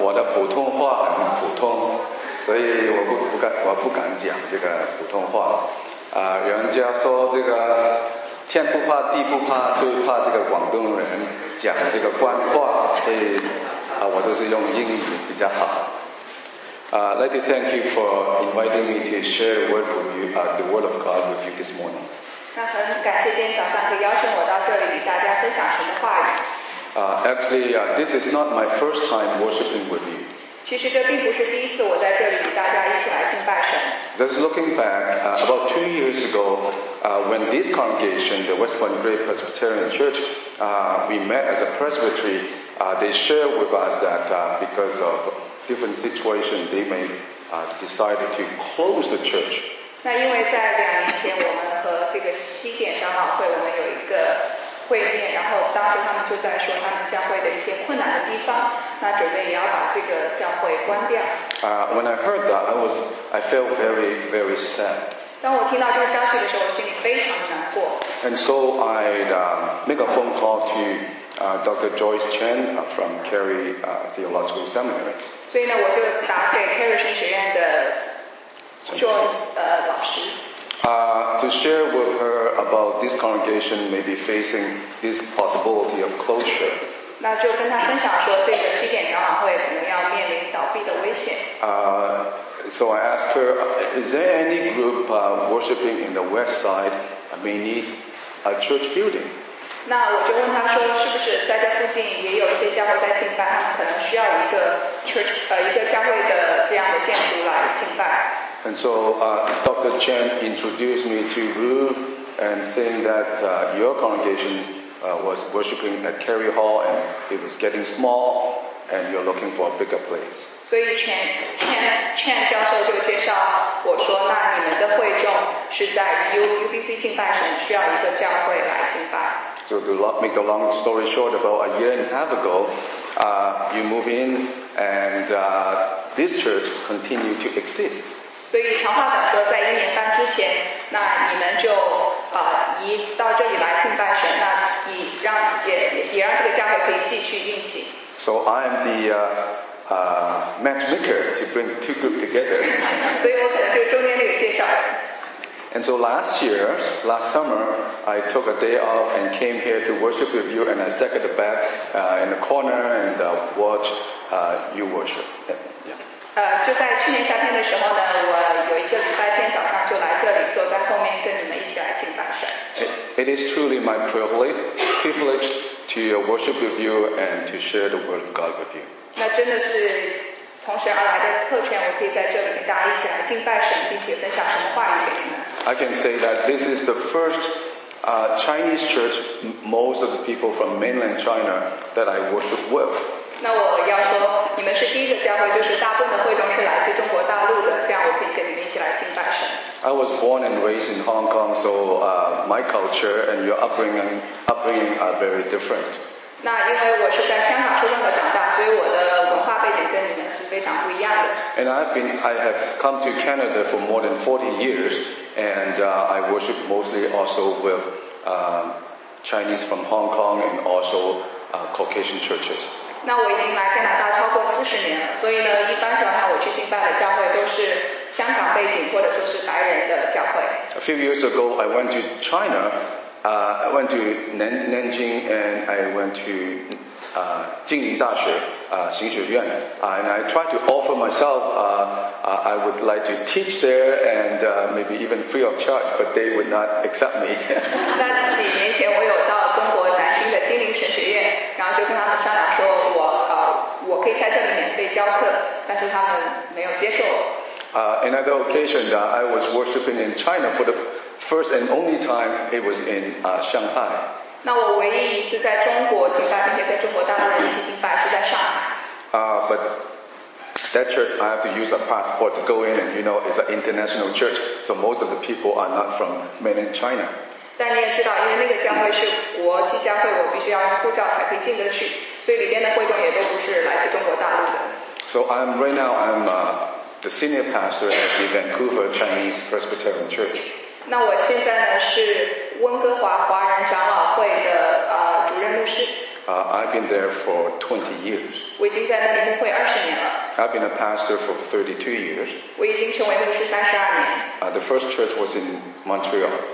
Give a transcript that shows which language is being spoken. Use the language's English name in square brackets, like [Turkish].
[Chinese] 我的普通话很普通，所以我不敢讲这个普通话。人家说这个天不怕地不怕，最怕这个广东人讲这个官话，所以我都是用英语比较好。 [English] Let me thank you for inviting me to share a word with you, the word of God with you this morning. [Chinese] 那很感谢今天早上可以邀请我到这里与大家分享神的话语。 [English] Actually, this is not my first time worshiping with you. [Chinese] 其实这并不是第一次我在这里与大家一起来敬拜神。 [English] Just looking back, about 2 years ago, when this congregation, the West Point Great Presbyterian Church, we met as a presbytery, they shared with us that because of different situation, they may decide to close the church. [Chinese] 那因为在两年前，我们和这个西点长老会，我们有一个会面，然后当时他们就在说他们教会的一些困难的地方，那准备也要把这个教会关掉。 [English] When I heard that, I felt very, very sad. [Chinese] 当我听到这个消息的时候，我心里非常的难过。 [English] And so I'd make a phone call to Dr. Joyce Chen from Cary Theological Seminary. [Chinese] 所以呢，我就打给 Cary 神学院的 Joyce 老师。 [English] To share with her about this congregation maybe facing this possibility of closure. [Chinese] 那就跟她分享说，这个西点长老会可能要面临倒闭的危险。 [English] So I asked her, is there any group worshiping in the west side may need a church building? [Chinese] 那我就问她说，是不是在这附近也有一些教会在敬拜，他们可能需要一个 church 一个教会的这样的建筑来敬拜。 [English] And so Dr. Chen introduced me to Ruth and saying that your congregation was worshiping at Cary Hall and it was getting small and you're looking for a bigger place. [Chinese] 所以 Chen 教授就介绍我说，那你们的会众是在 UBC 敬拜神，需要一个教会来敬拜。 [English] So to make the long story short, about a year and a half ago, you move in and this church continued to exist. [Chinese] 所以长话短说，在一年半之前，那你们就移到这里来敬拜神，那以让也让这个教会可以继续运行。 [English] So I am the matchmaker to bring the two groups together. [Chinese] 所以我可能就中间那个介绍人。 [English] And so last summer, I took a day off and came here to worship with you, and I sat at the back in the corner and watched you worship. Yeah. [Chinese] 就在去年夏天的时候呢，我有一个礼拜天早上就来这里，坐在后面跟你们一起来敬拜神。 [English] It is truly my privilege to worship with you and to share the word of God with you. [Chinese] 那真的是从神而来的特权，我可以在这里跟大家一起来敬拜神，并且分享神的话语给你们。 [English] I can say that this is the first Chinese church, most of the people from mainland China that I worship with. [Chinese] 那我要说，你们是第一个教会，就是大部分会众是来自中国大陆的，这样我可以跟你们一起来敬拜神。 [English] I was born and raised in Hong Kong, so my culture and your upbringing are very different. [Chinese] 那因为我是在香港出生和长大，所以我的文化背景跟你们是非常不一样的。 [English] And I have come to Canada for more than 40 years, and I worship mostly also with Chinese from Hong Kong and also Caucasian churches. [Chinese] 那我已经来加拿大超过40年了，所以呢，一般情况下我去敬拜的教会都是香港背景或者说是白人的教会。 [English] A few years ago, I went to China. I went to Nanjing and I went to 静宁大学神学院。 And I tried to offer myself. I would like to teach there and maybe even free of charge, but they would not accept me. [Chinese] 那几年前我有到中国南京的金陵神学院，然后就跟他们商量说。我可以在这里免费教课，但是他们没有接受我。 [English] Another occasion, I was worshiping in China for the first and only time. It was in Shanghai. [Chinese] 那我唯一一次在中国敬拜，并且跟中国大陆人一起敬拜，是在上海。 [English] But that church, I have to use a passport to go in, and you know, it's an international church, so most of the people are not from mainland China. [Chinese] 但你也知道，因为那个教会是国际教会，我必须要用护照才可以进得去。所以里边的会众也都不是来自中国大陆的。 [English] So I'm right now I'm the senior pastor at the Vancouver Chinese Presbyterian Church. [Chinese] 那我现在呢是温哥华华人长老会的主任牧师。 [English] I've been there for 20 years. [Chinese] 我已经在那里牧会20年了。 [English] I've been a pastor for 32 years. [Chinese] 我已经成为牧师32年。 [English] The first church was in Montreal.